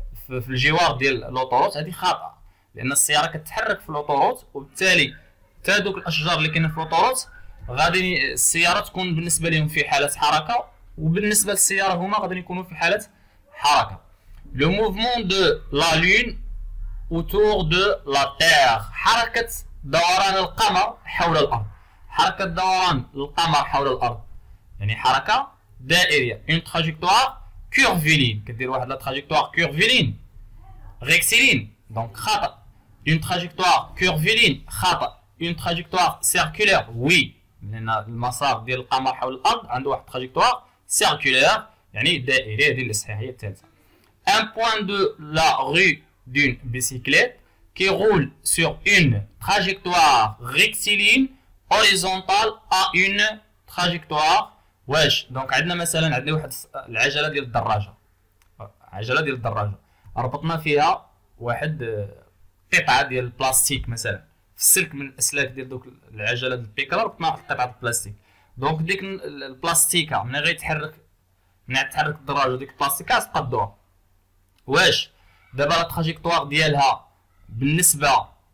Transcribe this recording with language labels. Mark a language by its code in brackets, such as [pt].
[ar] في الجوار ديال لوطوروت هادي خاطئه لان السياره كتحرك في لوطوروت وبالتالي حتى دوك الاشجار اللي كاينه في لوطوروت غادي السياره تكون بالنسبه لهم في حاله حركه وبالنسبه للسياره هما غادي يكونوا في حاله حركه [fr] Le mouvement de la Lune autour de la Terre. [ar] حركه دوران القمر حول الارض. حركه دوران القمر حول الارض. يعني حركه دائريه. [fr] Une trajectoire curviline. [ar] كدير واحد لا trajectoire curviline. [fr] Rectiline. Donc خطأ. Une trajectoire curviline. [ar] خطأ. [fr] Une trajectoire circulaire. Oui. [ar] لان المسار ديال القمر حول الارض عنده واحد trajectoire circulaire. يعني دائريه هذه اللي صحيحه الثالثه. [fr] Un point de la rue d'une bicyclette qui roule sur une trajectoire rectiligne [ar] هوريزونتال ا اون تراجيكتوار واش دونك عندنا مثلا عندنا واحد العجله ديال الدراجه عجله ديال الدراجه ربطنا فيها واحد قطعه ديال البلاستيك مثلا في السلك من الاسلاك ديال دوك العجله ديال البيكرا ربطنا قطعه البلاستيك دونك ديك البلاستيكه ملي غيتحرك ملي تحرك الدراجه ديك البلاستيكه تقدوها واش دابا لا تراجيكتوار ديالها بالنسبه 1.2